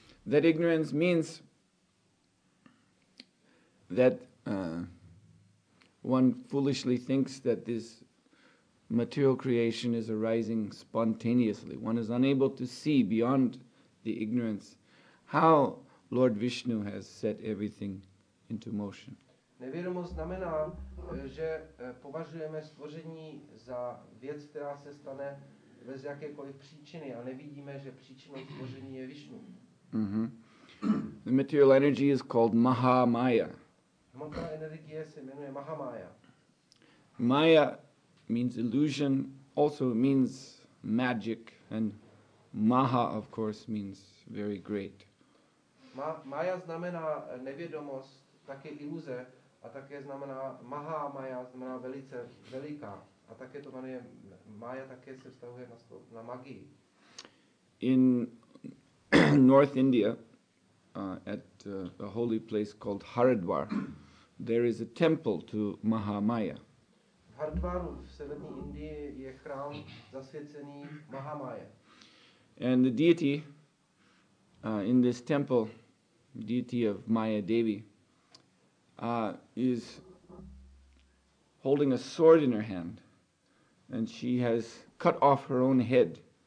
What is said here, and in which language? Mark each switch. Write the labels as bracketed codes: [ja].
[en] That ignorance means that one foolishly thinks that this material creation is arising spontaneously. One is unable to see beyond the ignorance how Lord Vishnu has set everything into motion. [cs] Nevědomost znamená, že považujeme stvoření za věc, která se stane bez jakékoliv příčiny a nevidíme, že příčinou stvoření je Vishnu. [en] The material energy is called Mahamaya. [cs] Hmotná energie se jmenuje Mahamaya. [en] Maya means illusion, also means magic, and maha, of course, means very great. [cs] Maya znamená nevědomost, také iluze, a také znamená maha maya, znamená velice veliká, a také to jmenuje maya, také se vztahuje na magii. [en] In North India, at a holy place called Haridwar, there is a temple to Mahamaya. [cs] Haridwaru v severní Indii je chrám zasvěcený Mahamaya. [en] And the deity in this temple, deity of Maya Devi, is holding a sword in her hand, and she has cut off her own head.